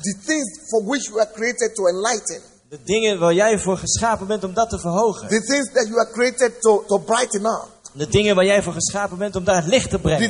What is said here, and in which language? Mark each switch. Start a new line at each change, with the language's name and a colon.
English: The things for which you are created to enlighten.
Dutch: De dingen waar jij voor geschapen bent om dat te verhogen.
English: The things that you are created to brighten up.
Dutch: De dingen waar jij voor geschapen bent om daar het licht te brengen.